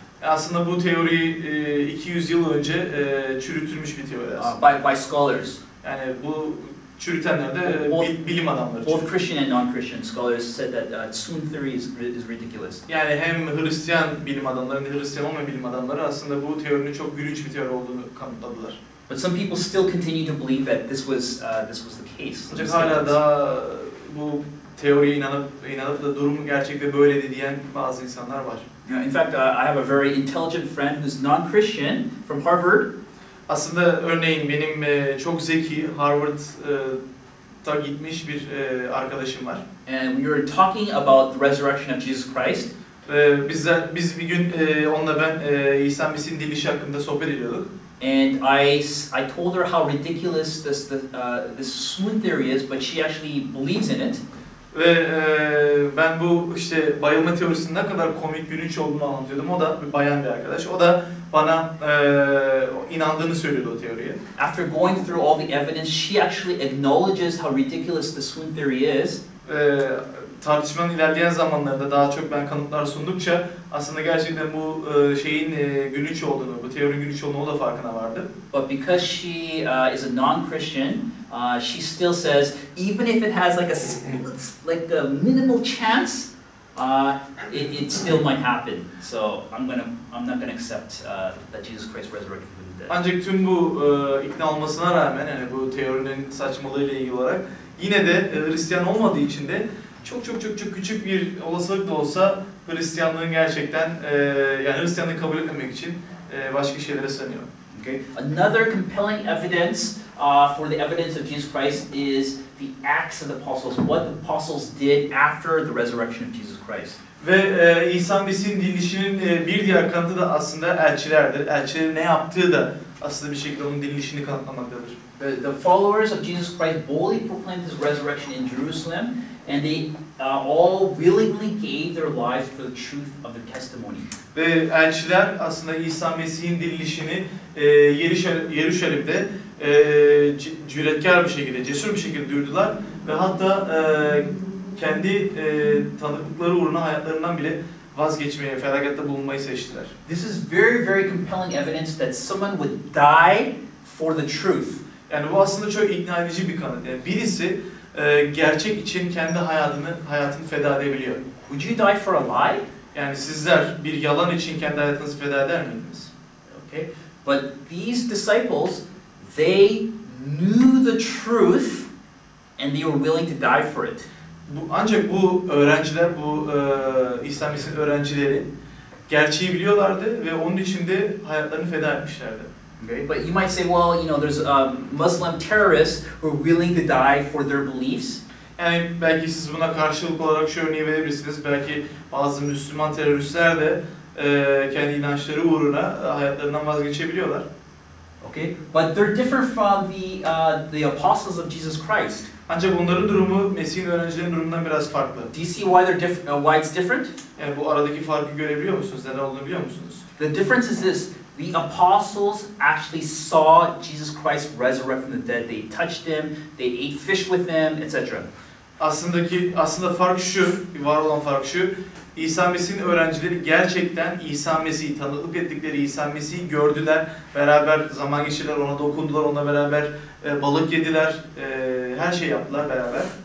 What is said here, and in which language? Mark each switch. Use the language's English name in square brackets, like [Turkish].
[Turkish] Aslında bu teori 200 yıl önce çürütülmüş bir teori. [English] By scholars. [Turkish] Yani bu çürütenler de bilim adamları. [English] Both Christian and non-Christian scholars said that swoon theory is ridiculous. [Turkish] Yani hem Hristiyan bilim adamları hem Hristiyan olmayan bilim adamları aslında bu teorinin çok gülünç bir teori olduğunu kanıtladılar. [English] But some people still continue to believe that this was the case. [Turkish] Ancak hala da bu teoriye inanıp da durumu gerçekte böyleydi diyen bazı insanlar var. [English] In fact, I have a very intelligent friend who's non-Christian from Harvard. [Turkish] Aslında örneğin benim çok zeki Harvard'da gitmiş bir arkadaşım var. [English] And we were talking about the resurrection of Jesus Christ. [Turkish] Biz bir gün onunla ben İsa Mesih'in dirilişi hakkında sohbet ediyorduk. [English] And I told her how ridiculous this swoon theory is, but she actually believes in it. [Turkish] Ve ben bu işte bayılma teorisinin ne kadar komik gülünç olduğunu anlatıyordum. O da bir bayan bir arkadaş. O da bana inandığını söylüyordu o teoriye. [English] After going through all the evidence, she actually acknowledges how ridiculous the swoon theory is. [Turkish] Tartışmanın ilerleyen zamanlarında daha çok ben kanıtlar sundukça aslında gerçekten bu şeyin gülünç olduğunu, bu teorinin gülünç olduğunu o da farkına vardı. [English] But because she is a non-Christian, she still says even if it has like a minimal chance, it still might happen. So I'm not gonna accept that Jesus Christ resurrected from the dead. [Turkish] Ancak tüm bu ikna olmasına rağmen yani bu teorinin saçmalığıyla ilgili olarak yine de Hristiyan olmadığı için de çok küçük bir olasılık da olsa Hristiyanlığın gerçekten yani Hristiyanlığı kabul etmemek için başka şeylere sanıyor. [English] Okay. Another compelling evidence for the evidence of Jesus Christ is the acts of the apostles. What the apostles did after the resurrection of Jesus Christ. [Turkish] Ve İsa Mesih'in dirilişinin bir diğer kanıtı da aslında elçilerdir. Elçilerin ne yaptığı da aslında bir şekilde onun dirilişini kanıtlamaktadır. [English] The followers of Jesus Christ boldly proclaimed his resurrection in Jerusalem. And they all willingly gave their lives for the truth of the testimony. [Turkish] Ve elçiler aslında İsa Mesih'in dirilişini Yeruşalim'de cüretkar bir şekilde, cesur bir şekilde duyurdular ve hatta kendi tanıklıkları uğruna hayatlarından bile vazgeçmeye, felakette bulunmayı seçtiler. [English] This is very, very compelling evidence that someone would die for the truth. [Turkish] Yani bu aslında çok ikna edici bir kanıt. Yani birisi gerçek için kendi hayatını feda edebiliyor. [English] Would you die for a lie? [Turkish] Yani sizler bir yalan için kendi hayatınızı feda eder miydiniz? [English] Okay. But these disciples, they knew the truth and they were willing to die for it. [Turkish] Ancak bu öğrenciler, bu İsa Mesih'in öğrencileri gerçeği biliyorlardı ve onun için de hayatlarını feda etmişlerdi. [English] Okay. But you might say, well, you know, there's Muslim terrorists who are willing to die for their beliefs. [Turkish] Yani belki siz buna karşılık olarak şu örneği verebilirsiniz. Belki bazı Müslüman teröristler de kendi inançları uğruna hayatlarından vazgeçebiliyorlar. [English] Okay. But they're different from the apostles of Jesus Christ. [Turkish] Ancak onların durumu Mesih'in öğrencilerinin durumundan biraz farklı. [English] Do you see why they're why it's different? [Turkish] Yani bu aradaki farkı görebiliyor musunuz? Neden olduğunu biliyor musunuz? [English] The difference is this. The apostles actually saw Jesus Christ resurrect from the dead. They touched him, they ate fish with him, etc. [Turkish] Aslında fark şu, var olan fark şu. İsa Mesih'in öğrencileri gerçekten İsa Mesih'i, tanıklık ettikleri İsa Mesih'i gördüler. Beraber zaman geçirdiler, ona dokundular, onunla beraber balık yediler, her şey yaptılar beraber.